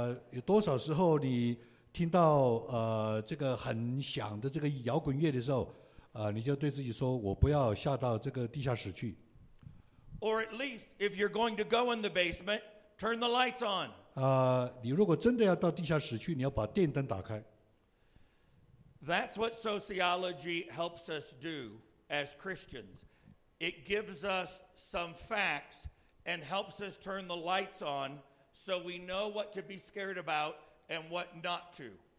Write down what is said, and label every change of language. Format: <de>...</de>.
<zh>有多少时候你听到这个很响的这个摇滚乐的时候，你就对自己说，我不要下到这个地下室去。Or</zh> <en>at least, if you're going to go in the basement, turn the lights on.</en> <zh>你如果真的要到地下室去，你要把电灯打开。</zh> <en>That's what sociology helps us do as Christians. It gives us some facts and helps us turn the lights on so we know what to be scared about and what not to.</en>